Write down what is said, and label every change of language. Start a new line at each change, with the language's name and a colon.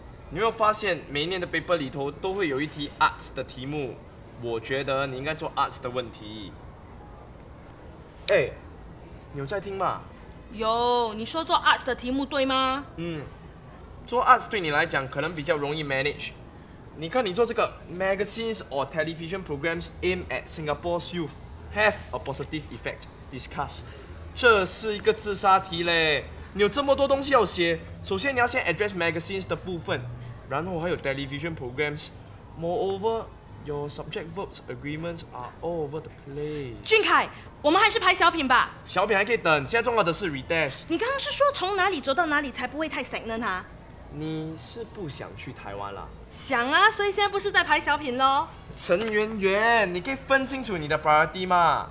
Chinese: 你有没有发现每一年的 paper 里头都会有一题 arts 的题目？我觉得你应该做 arts 的问题。哎，你有在听吗？有，你说做 arts 的题目对吗？嗯，做 arts 对你来讲可能比较容易 manage。你看你做这个
English: magazines or television programs aim at Singapore's youth have a positive effect discuss，
Chinese: 这是一个自杀题嘞。你有这么多东西要写，首先你要先 address magazines 的部分，然后还有 television programs。
English: Moreover, your subject verbs agreements are all over the place.
Chinese: 俊凯，我们还是排小品吧。小品还可以等，现在重要的是 redes。你刚刚是说从哪里走到哪里才不会太 stagnant 啊？你是不想去台湾了？想啊，所以现在不是在排小品咯。陈圆圆，你可以分清楚你的 priority 吗？